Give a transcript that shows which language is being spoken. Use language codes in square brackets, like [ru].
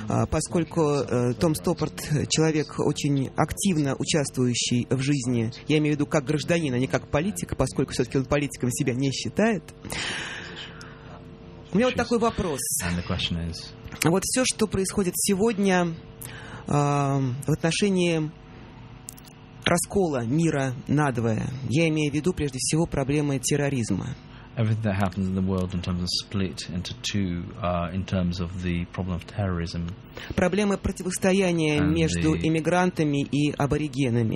[ru] Поскольку Том Стоппард человек, очень активно участвующий в жизни, я имею в виду как гражданин, а не как политик, поскольку все-таки он политиком себя не считает. У меня вот такой вопрос. Вот все, что происходит сегодня в отношении раскола мира надвое, я имею в виду прежде всего проблемы терроризма. [en] Everything that happens in the world in terms of split into two, in terms of the problem of terrorism. [ru] Проблемы противостояния между иммигрантами и аборигенами.